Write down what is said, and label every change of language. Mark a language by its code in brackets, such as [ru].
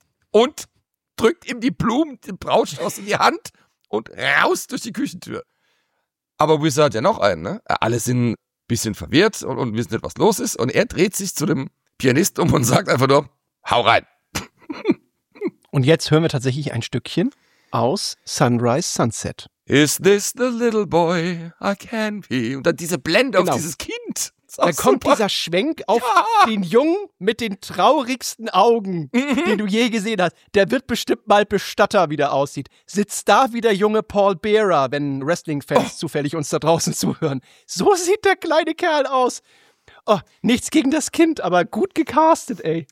[de] Und drückt ihm die Blumen, den Brautstrauß in die Hand und raus durch die Küchentür. Aber Wizard hat ja noch einen, ne? Alle sind ein bisschen verwirrt und wissen nicht, was los ist. Und er dreht sich zu dem Pianisten um und sagt einfach nur, hau rein. Und jetzt hören wir tatsächlich ein Stückchen aus Sunrise Sunset. [en] Is this the little boy I can be? [de] Und dann diese Blende genau. Auf dieses Kind. Da kommt dieser Schwenk auf den Jungen mit den traurigsten Augen, den du je gesehen hast. Der wird bestimmt mal Bestatter, wie der aussieht. Sitzt da wie der junge Paul Bearer, wenn Wrestling-Fans zufällig uns da draußen zuhören. So sieht der kleine Kerl aus. Oh, nichts gegen das Kind, aber gut gecastet, ey.